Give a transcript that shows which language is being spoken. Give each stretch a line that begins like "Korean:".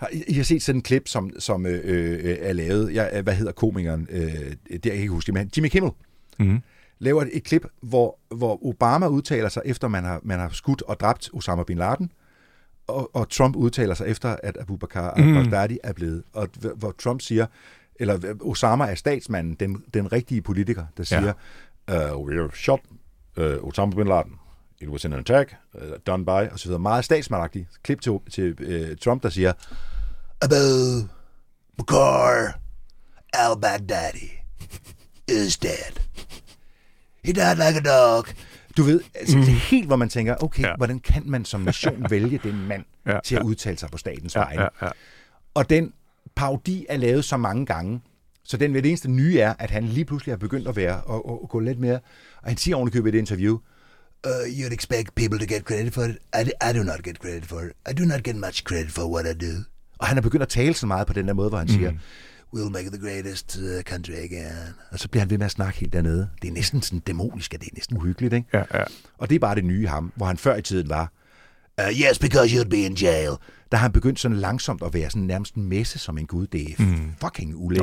Danish: I har set sådan en klip, som er lavet, hvad hedder komikeren, det jeg ikke huske, men Jimmy Kimmel laver et klip, hvor Obama udtaler sig, efter man har skudt og dræbt Osama Bin Laden, og Trump udtaler sig, efter at Abubakar al-Baghdadi er blevet, og hvor Trump siger, eller Osama er statsmanden, den rigtige politiker, der siger,
English: we have shot Osama bin Laden. It was an attack, done by,
Danish: og så videre. Meget statsmandagtigt. Klip til Trump, der siger,
English: Abu Bakar al-Baghdadi is dead. He died like a dog.
Danish: Du ved, altså, helt hvor man tænker, okay, hvordan kan man som nation vælge den mand til at udtale sig på statens vegne? Og den parodi er lavet så mange gange, så den ved det eneste nye er, at han lige pludselig har begyndt at være og gå lidt mere, og han siger ordentligt i et interview,
English: you'd expect people to get credit for it. I do not get credit for it. I do not get much credit for what I do.
Danish: Og han har begyndt at tale så meget på den der måde, hvor han siger,
English: we'll make the greatest country again.
Danish: Og så bliver han ved med at snakke helt dernede. Det er næsten sådan dæmonisk, og det er næsten uhyggeligt, ikke? Ja, ja. Og det er bare det nye ham, hvor han før i tiden var,
English: yes, because you'd be in jail.
Danish: Der har han begyndt sådan langsomt at være sådan nærmest en messe som en gud. Det er fucking ulækkert.